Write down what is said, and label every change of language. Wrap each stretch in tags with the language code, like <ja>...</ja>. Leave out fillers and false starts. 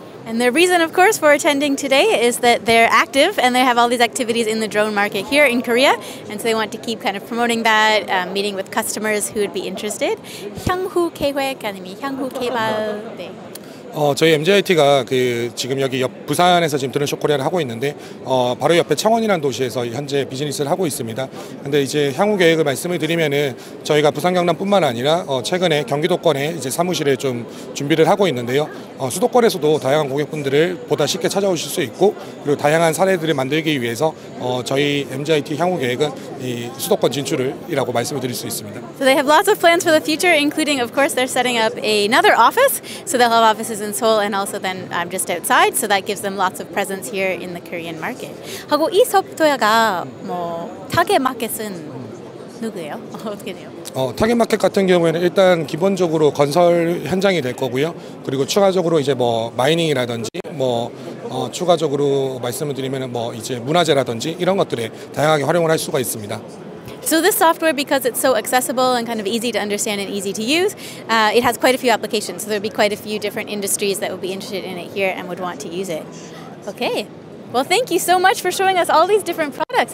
<en>And the reason, of course, for attending today is that they're active and they have all these activities in the drone market here in Korea. And so they want to keep kind of promoting that, meeting with customers who would be interested.</en> <ko>향후 계획 아니면 향후 개발 때. 저희 MGIT가 그 지금 여기 옆 부산에서 지금 드론쇼코리아를 하고 있는데 바로 옆에 창원이라는 도시에서 현재 비즈니스를 하고 있습니다. 근데 이제 향후 계획을 말씀을 드리면은 저희가 부산 경남뿐만 아니라 최근에 경기도권에 이제 사무실을 좀 준비를 하고 있는데요. 수도권에서도 다양한 고객분들을 보다 쉽게 찾아오실 수 있고 그리고 다양한 사례들을 만들기 위해서 저희 MGIT 향후 계획은 이 수도권 진출이라고 말씀을 드릴 수 있습니다.</ko> <en>So they have lots of plans for the future, including of course they're setting up another office. So they'll have offices in Seoul and also then just outside. So that gives them lots of presence here in the Korean market.</en> <ko>하고 이 소프트웨어가 뭐 타겟 마켓은 누구예요? 어떻게 돼요? 타겟 마켓 같은 경우에는 일단 기본적으로 건설 현장이 될 거고요. 그리고 추가적으로 이제 뭐 마이닝이라든지 뭐 추가적으로 말씀을 드리면은 뭐 이제 문화재라든지 이런 것들에 다양하게 활용을 할 수가 있습니다.</ko> <en>So this software, because it's so accessible and kind of easy to understand and easy to use, it has quite a few applications. So there would be quite a few different industries that would be interested in it here and would want to use it. Okay. Well, thank you so much for showing us all these different products.</en>